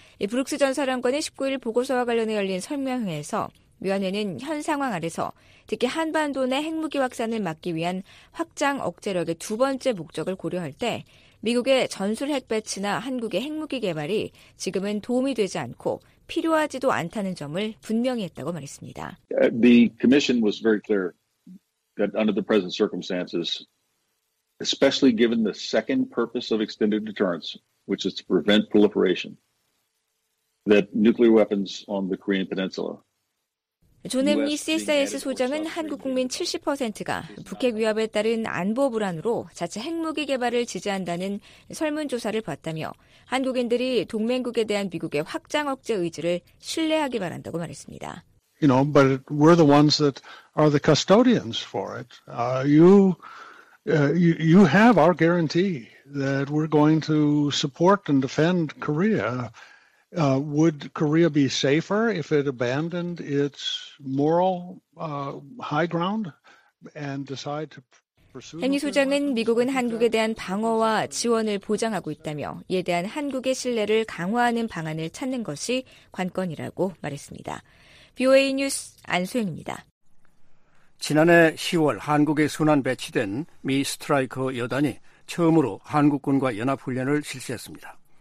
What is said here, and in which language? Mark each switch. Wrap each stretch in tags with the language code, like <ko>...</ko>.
<ko>브룩스 전 사령관이 19일 보고서와 관련해 열린 설명회에서 위원회는 현 상황 아래서 특히 한반도 내 핵무기 확산을 막기 위한 확장 억제력의 두 번째 목적을 고려할 때 미국의 전술 핵 배치나 한국의 핵무기 개발이 지금은 도움이 되지 않고 필요하지도 않다는 점을 분명히 했다고 말했습니다.</ko> <en>The commission was very clear that under the present circumstances, especially given the second purpose of extended deterrence, which is to prevent proliferation, that nuclear weapons on the Korean Peninsula</en> <ko>존 M. 리 CSIS 소장은 한국 국민 70%가 북핵 위협에 따른 안보 불안으로 자체 핵무기 개발을 지지한다는 설문조사를 봤다며 한국인들이 동맹국에 대한 미국의 확장 억제 의지를 신뢰하기 바란다고 말했습니다.</ko> <en>You know, but we're the ones that are the custodians for it. You have our guarantee that we're going to support and defend Korea. Would Korea be safer if it abandoned its moral high ground and decide to pursue?</en> <ko>행위 소장은 미국은 한국에 대한 방어와 지원을 보장하고 있다며 이에 대한 한국의 신뢰를 강화하는 방안을 찾는 것이 관건이라고 말했습니다. BOA 뉴스 안소영입니다. 지난해 10월 한국에 순환 배치된 미 스트라이커 여단이 처음으로 한국군과 연합 훈련을 실시했습니다.</ko>